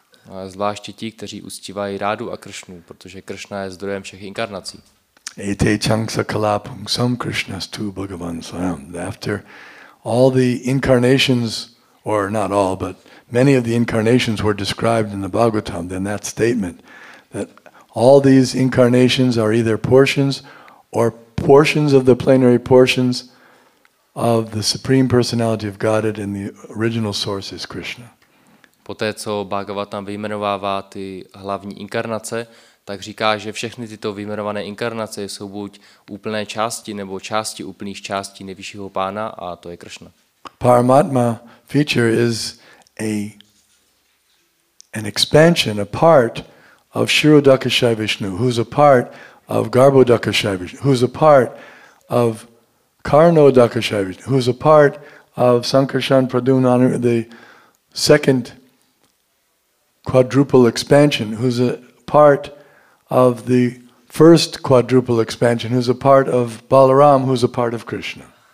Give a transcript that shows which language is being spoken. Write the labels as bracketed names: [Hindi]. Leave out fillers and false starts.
[Czech] A zvláště ti, kteří uctívají Rádu a Krishnu, protože Krishna je zdrojem všech inkarnací. [Sanskrit] Ete changsa kalapung sam Krishna stu Bhagavan Swayam. [English] After all the incarnations, or not all, but many of the incarnations were described in the Bhagavatam, then that statement that all these incarnations are either portions or portions of the plenary portions of the Supreme Personality of Godhead, and the original source is Krishna. [Czech] Poté, co Bhagavatam vyjmenovává ty hlavní inkarnace, tak říká, že všechny tyto vyjmenované inkarnace jsou buď úplné části nebo části úplných částí nejvyššího pána, a to je Krishna. [English] Paramatma feature is an expansion, a part of Shirodakshay Vishnu, who's a part of Garbhodakshay Vishnu, who's a part of Karnodakshay Vishnu, who's a part of Sankarshan Pradyumna, the second quadruple expansion, who's a part of the first quadruple expansion, who's a part of Balaram, who's a part of Krishna.